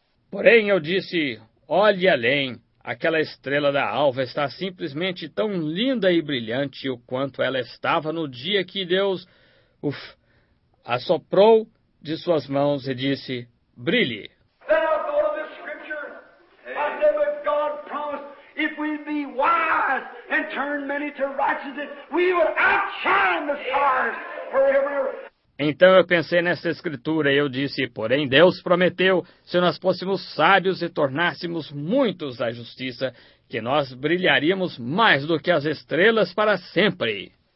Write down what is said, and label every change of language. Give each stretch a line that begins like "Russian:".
Portuguese: Porém, eu disse, olhe além. Aquela estrela da alva está simplesmente tão linda e brilhante o quanto ela estava no dia que Deus, assoprou de suas mãos e disse, brilhe.
English: Then I thought of this scripture. I said, but God promised, if we be wise and turn many to righteousness, we will outshine the stars forever.
Portuguese: Então eu pensei nessa escritura e eu disse, porém Deus prometeu, se nós fôssemos sábios e tornássemos muitos a justiça, que nós brilharíamos mais do que as estrelas para sempre.